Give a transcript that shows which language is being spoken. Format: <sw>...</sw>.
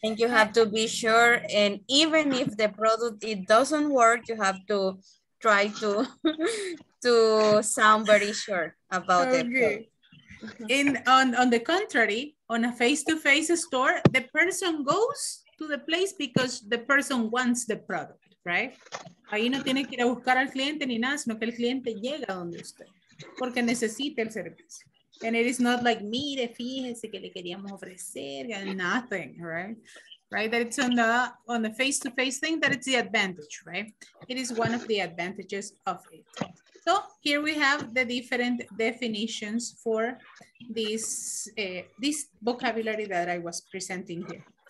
<en>And you have to be sure, and even if the product, it doesn't work, you have to try to sound very sure about it. Okay. On the contrary, on a face-to-face store, the person goes to the place because the person wants the product, right?</en> <es>Ahí no tiene que ir a buscar al cliente ni nada, sino que el cliente llega donde usted, porque necesita el servicio.</es> <en>And it is not like,</en> <es>mire, fíjese que le queríamos ofrecer,</es> <en>nothing, right? Right, that it's on the face-to-face thing, that it's the advantage, right? It is one of the advantages of it. So here we have the different definitions for this vocabulary that I was presenting here.</en>